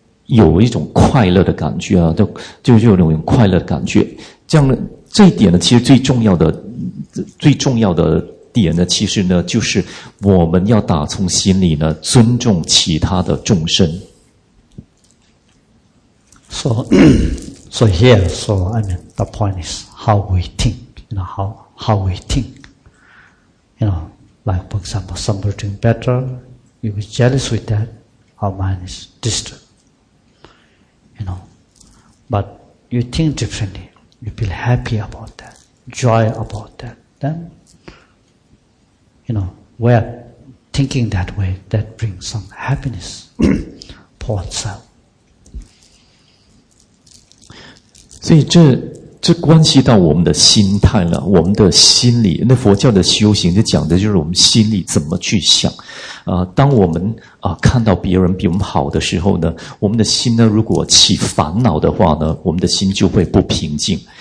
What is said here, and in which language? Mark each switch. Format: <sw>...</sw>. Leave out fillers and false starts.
<zh>有一种快乐的感觉就有一种快乐的感觉。这样这一点呢其实最重要的点呢其实呢就是我们要打从心里呢尊重其他的众生。</zh> <en>So here, so I mean, the point is how we think, you know, how we think. You know, like for example, somebody doing better, you be jealous with that, our mind is disturbed. You know, but you think differently, you feel happy about that, joy about that, then, you know, where thinking that way, that brings some happiness for itself.</en> <zh>所以这关系到我们的心态了，我们的心理。那佛教的修行就讲的就是我们心里怎么去想。当我们看到别人比我们好的时候呢，我们的心呢如果起烦恼的话呢，我们的心就会不平静。</zh>